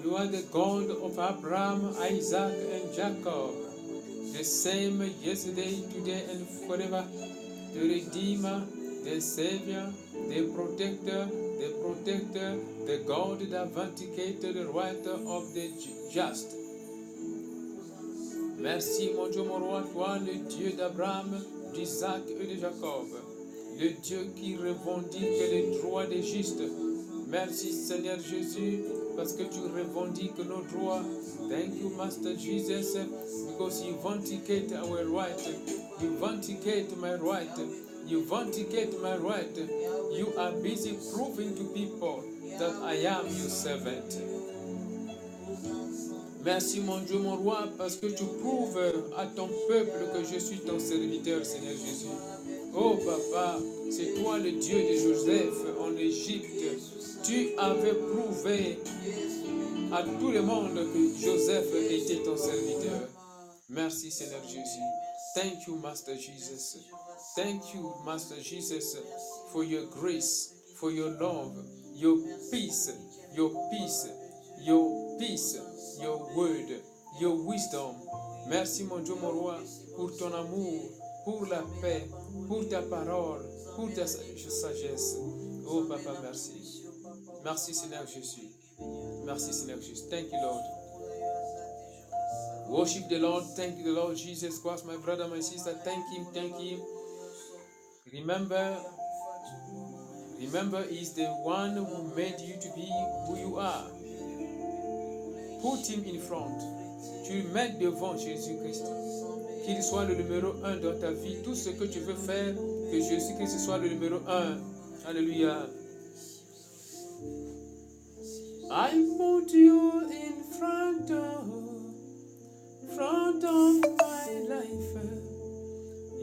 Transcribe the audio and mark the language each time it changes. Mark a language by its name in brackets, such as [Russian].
[English] The God of Abraham, Isaac, and Jacob, the same yesterday, today, and forever, the Redeemer, the Savior, the Protector, the God, the Vindicator, the Writer of the Just. [French] Merci, mon Dieu, mon roi, toi, le Dieu d'Abraham, d'Isaac et de Jacob, le Dieu qui revendique les droits des justes. Merci, Seigneur Jésus, parce que tu revendiques nos droits. [English] Thank you, Master Jesus, because you vindicate our right. You vindicate my right. You vindicate my right. You are busy proving to people that I am your servant. [French] Merci, mon Dieu, mon roi, parce que tu prouves à ton peuple que je suis ton serviteur, Seigneur Jésus. Oh, Papa, c'est toi le Dieu de Joseph en Égypte. Tu avais prouvé à tout le monde que Joseph était ton serviteur. Merci, Seigneur Jésus. [English] Thank you, Master Jesus. Thank you, Master Jesus, for your grace, for your love, your peace, your peace, your peace, your word, your wisdom. [French] Merci, mon Dieu, mon roi, pour ton amour, pour la paix, pour ta parole, pour ta sagesse. Oh, Papa, merci. Merci, Seigneur Jésus. Merci, Seigneur Jésus. [English] Thank you, Lord. Worship the Lord. Thank you, the Lord Jesus Christ, my brother, my sister. Thank Him. Thank Him. Remember, He's the one who made you to be who you are. Put Him in front. [French] Tu mets devant Jésus-Christ. Qu'il soit le numéro un dans ta vie. Tout ce que tu veux faire, que Jésus-Christ soit le numéro un. Alléluia. [English] I put you in front of my life.